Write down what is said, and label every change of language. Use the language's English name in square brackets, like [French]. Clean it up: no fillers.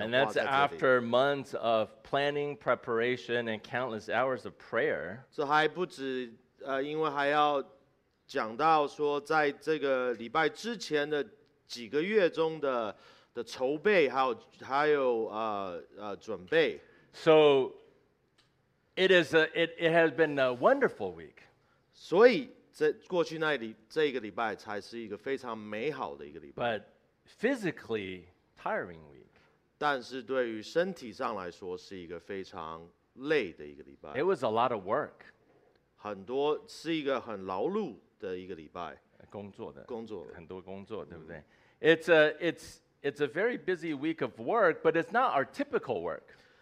[English] And that's after months of planning, preparation, and countless hours of prayer. [Chinese] 这还不止，因为还要讲到说，在这个礼拜之前的几个月中的筹备，还有准备。 [English] So It has been a wonderful week. [Chinese] 所以这过去那里这一个礼拜才是一个非常美好的一个礼拜。 [English] But physically tiring week. [Chinese] 但是对于身体上来说是一个非常累的一个礼拜。 [English] It was a lot of work. [Chinese] 很多是一个很劳碌的一个礼拜。工作的，很多工作，对不对？ [English] It's a very busy week of work, but it's not our typical work.